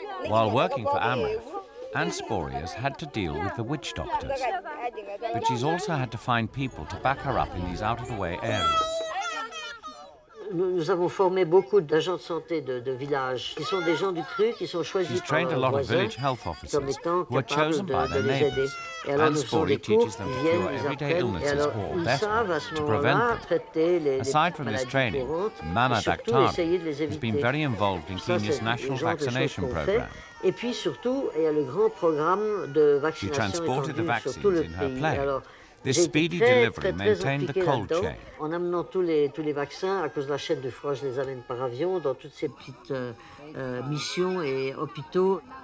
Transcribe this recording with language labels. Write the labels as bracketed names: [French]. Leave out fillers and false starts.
[English] While working for Amref, Anne Spoerry has had to deal with the witch doctors. But she's also had to find people to back her up in these out-of-the-way areas. [French] Nous avons formé beaucoup d'agents de santé de village, qui sont des gens du cru, qui sont choisis [English] par trained a lot of village health officers who are chosen by their neighbors. Anne Spoerry teaches them to cure everyday illnesses or better, to prevent them. Aside from this training, Mama Daktari has been very involved in Kenya's national vaccination program. [French] Et puis surtout, il y a le grand programme de vaccination. [English] She transported the vaccines in her plane. This speedy delivery maintained the cold chain. [French] En amenant tous les vaccins à cause de la chaîne du froid, je les amène par avion dans toutes ces petites missions et hôpitaux.